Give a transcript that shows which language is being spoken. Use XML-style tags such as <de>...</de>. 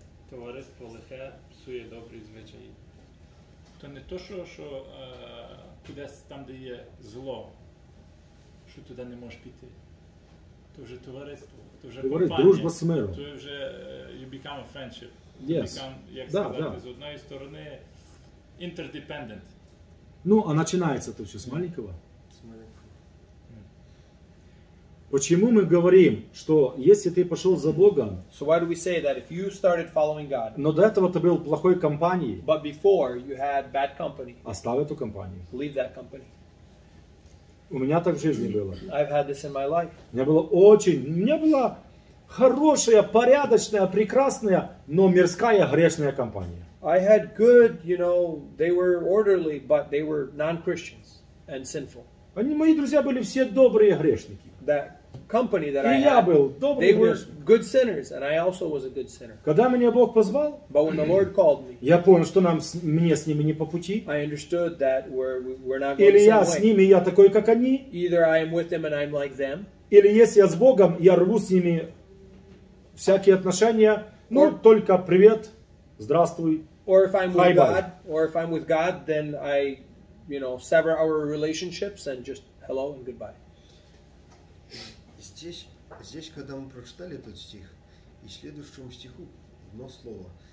<uk>Товариство лихе псує добрі звичаї. То не то, що кудись там, де є зло, що туди не можеш піти. То вже товариство, то вже компанія. Дружба з миром. То вже</uk> <en>you become a friendship. Yes.</en> <uk>Як сказати, з одної сторони interdependent. Ну, а починається то все з маленького.</uk> <ru>Почему мы говорим, что если ты пошел за Богом,</ru> <en>so why do we say that if you started following God,</en> <ru>но до этого ты был в плохой компании,</ru> <en>but before you had bad company,</en> <ru>оставь эту компанию.</ru> <en>Leave that company.</en> <ru>У меня так в жизни было.</ru> <en>I've had this in my life.</en> <ru>У меня было очень, у меня была хорошая, порядочная, прекрасная, но мирская, грешная компания.</ru> <en>I had good, you know, they were orderly, but they were non-Christians and sinful.</en> <ru>Они, мои друзья были все добрые грешники.</ru> <en>That company that</en> <ru>и</ru> <en>I had,</en> <ru>был,</ru> <en>they were good sinners, and I also was a good sinner.</en> <ru>Когда меня Бог позвал,</ru> <en>but when the Lord called me,</en> <ru>я понял, что нам мне с ними не по пути.</ru> <en>I understood that we're not going</en> <ru>или</ru> <en>the same</en> <ru>я с ними, я такой, как они.</ru> <en>Either I am with them and I'm like them.</en> <ru>Или если я с Богом, я рву с ними всякие отношения. Ну, or, только привет, здравствуй,</ru> <en>or if I'm with God, or if I'm with God, then I, you know, sever our relationships and just hello and goodbye.</en> <ru>Здесь, когда мы прочитали этот стих, и в следующем стиху одно слово.</ru>